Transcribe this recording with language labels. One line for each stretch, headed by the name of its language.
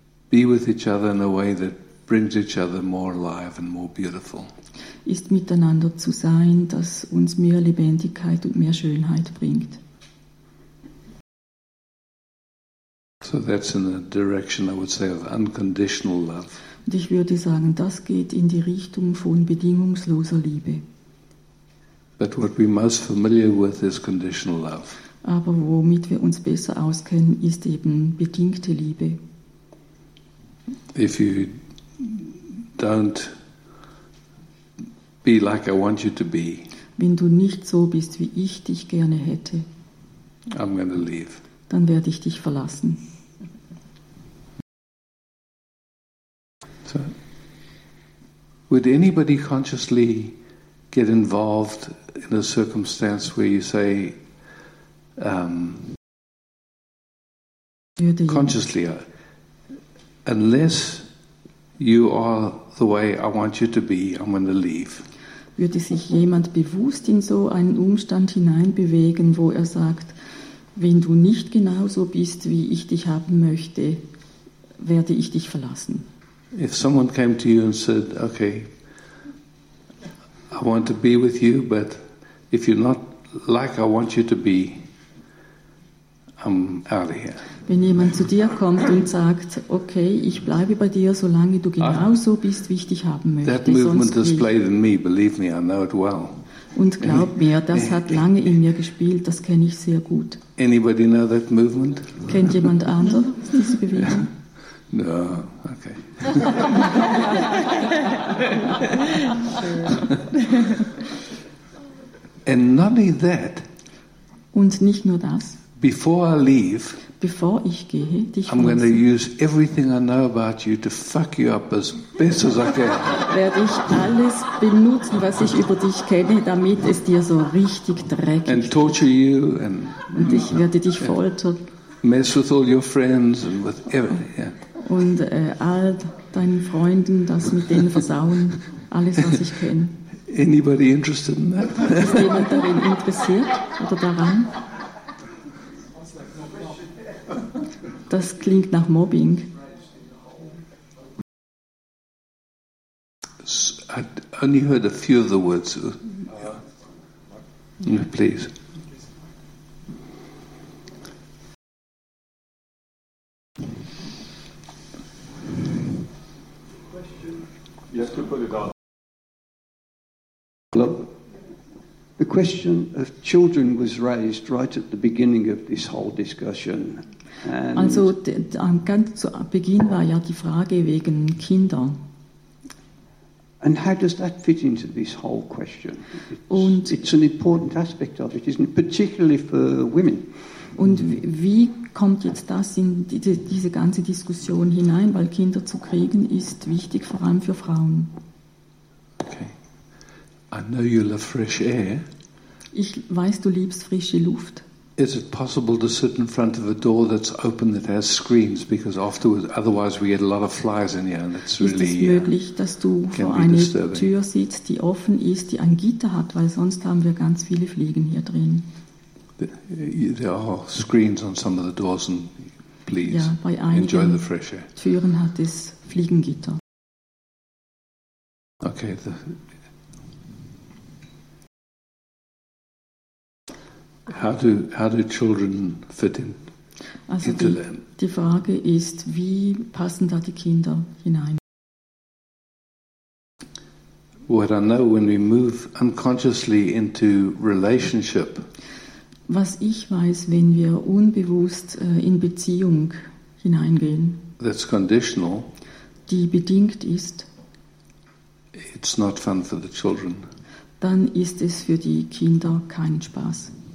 English: be with each other in a way that brings each other more alive and more beautiful.
German: Ist miteinander zu sein, das uns mehr Lebendigkeit und mehr Schönheit bringt.
English: So that's in the direction, I would say, of unconditional love.
German: Und ich würde sagen, das geht in die Richtung von bedingungsloser Liebe.
English: But what we're most familiar with is conditional love.
German: Aber womit wir uns besser auskennen, ist eben bedingte Liebe.
English: If you don't be like I want you to be,
German: wenn du nicht so bist, wie ich dich gerne hätte,
English: I'm going to leave.
German: Dann werde ich dich verlassen.
English: Would anybody consciously get involved in a circumstance where you say, consciously, unless you are the way I want you to be, I'm going to leave?
German: Würde sich jemand bewusst in so einen Umstand hineinbewegen, wo er sagt, wenn du nicht genauso bist, wie ich dich haben möchte, werde ich dich verlassen?
English: If someone came to you and said, okay, I want to be with you, but if you're not like I want you to be, I'm out of here.
German: Wenn jemand zu dir kommt und sagt, okay, ich bleibe bei dir, solange du genauso bist, wie ich dich haben möchte,
English: that movement has played in me, believe me, I know it well.
German: Und glaub mir, das hat lange in mir gespielt, das kenne ich sehr gut.
English: Anybody know that movement?
German: Kennt jemand anderes diese Bewegung? Yeah.
English: No, okay. And not only that.
German: Und nicht nur das.
English: Before I leave,
German: bevor ich gehe, dich
English: I'm going to use everything I know about you to fuck you up as best as I can.
German: Werde ich alles benutzen, was ich über dich kenne, damit es dir so richtig dreckig
English: and torture
German: wird.
English: You and,
German: und ich werde dich foltern.
English: Mess with all your friends and with everything. Yeah.
German: Und all deinen Freunden, das mit denen versauen, alles, was ich kenne.
English: Anybody interested in that?
German: Ist jemand darin interessiert oder daran? Das klingt nach Mobbing.
English: I only heard a few of the words. Please. The question of children was raised right at the beginning of this whole discussion.
German: Also ganz zu Beginn war ja die Frage wegen Kindern.
English: And how does that fit into this whole question? It's an important aspect of it, isn't it? Particularly for women.
German: Und wie kommt jetzt das in diese ganze Diskussion hinein? Weil Kinder zu kriegen ist wichtig, vor allem für Frauen.
English: Okay. I know you love fresh air.
German: Ich weiß, du liebst frische Luft.
English: Is it possible to sit in front of a door that's open that has screens? Because afterwards, otherwise we get a lot of flies in here, and that's really.
German: Ist es möglich, dass du vor einer Tür sitzt, die offen ist, die ein Gitter hat, weil sonst haben wir ganz viele Fliegen hier drin.
English: There are screens on some of the doors, and please
German: ja, bei
English: enjoy the fresh air.
German: Türen hat es Fliegengitter.
English: Okay. How do children fit in?
German: Also die Frage ist, wie passen da die Kinder hinein?
English: What I know when we move unconsciously into relationship.
German: Was ich weiß, wenn wir unbewusst in Beziehung hineingehen.
English: That's conditional.
German: Die bedingt ist.
English: It's not fun for the children.
German: Dann ist es für die Kinder keinen Spaß.